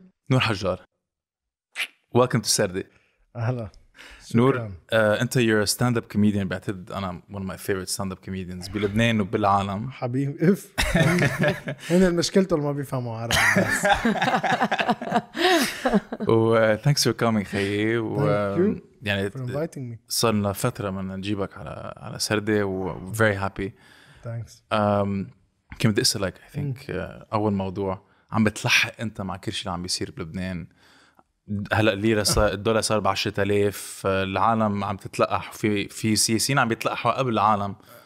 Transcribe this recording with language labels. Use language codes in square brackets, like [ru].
[en] نور حجار welcome to سردي. [ar] اهلا نور. انت [en] you're a stand up comedian. [ar] بعتقد انا [en] one of my favorite stand up comedians [ar] بلبنان وبالعالم حبيبي. اف هنا المشكلة اللي ما بيفهموا عربي [en] و thanks for coming خيي. thank you for inviting me. [ar] صار لنا فترة من نجيبك على على سردي و [en] very happy. thanks. [ar] كم بدي اسألك [en] I think [ar] اول موضوع عم بتلحق انت مع كل شيء اللي عم بيصير بلبنان هلا الليرة الدولار صار ب10,000 العالم عم تتلقح في في سياسيين عم يتلقحوا قبل العالم